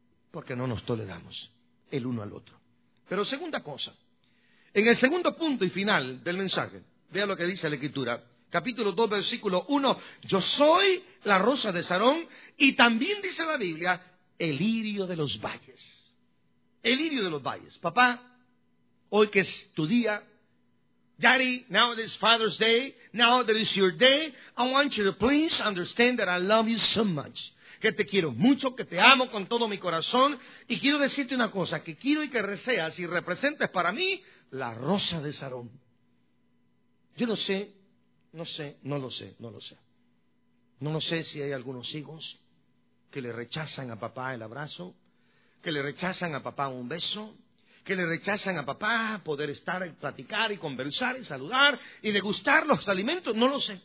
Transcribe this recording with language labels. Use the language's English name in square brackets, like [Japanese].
[Spanish] Porque no nos toleramos el uno al otro. Pero segunda cosa. En el segundo punto y final del mensaje, vea lo que dice la Escritura. Capítulo 2, versículo 1. Yo soy la rosa de Sarón, y también dice la Biblia, el lirio de los valles. El lirio de los valles. Papá, hoy que es tu día. [English] Daddy, now it is Father's Day. Now that is your day. I want you to please understand that I love you so much. [Spanish] Que te quiero mucho, que te amo con todo mi corazón. Y quiero decirte una cosa, que quiero y que reseas y representes para mí la rosa de Sarón. Yo no sé. No lo sé. No lo sé si hay algunos hijos que le rechazan a papá el abrazo, que le rechazan a papá un beso, que le rechazan a papá poder estar y platicar y conversar y saludar y degustar los alimentos. No lo sé.